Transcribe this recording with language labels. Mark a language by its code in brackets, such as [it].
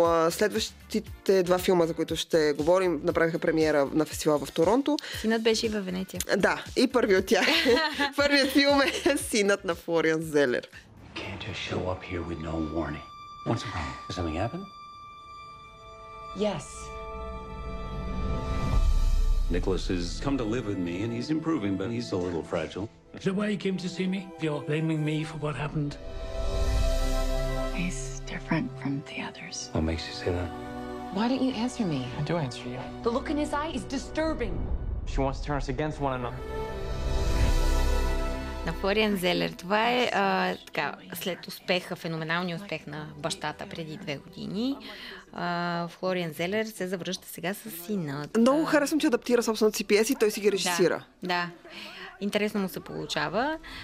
[bg] Следващите два филма, за които ще говорим, направиха премиера на фестивал в Торонто. Синът беше и във Венеция. Да, и първи от тях. Първият филм е Синът на Флориан Зелер. [en] Can't just show up here with no warning. What's the problem? Did something happen? Yes. Nicholas has come to live with me and he's improving, but he's a little fragile. Is that why he came to see me? You're blaming me for what happened? He's different from the others. What makes you say that? Why don't you answer me? I do answer you. The look in his eye is disturbing. She wants to turn us against one another. [bg] На Флориан Зелер. Това е така, след успеха, феноменалния успех на бащата преди 2 години. Флориан Зелер се завръща сега с сина. Много харесвам, че адаптира собствената си пиеса и той си ги режисира. Да, да. Интересно му се получава.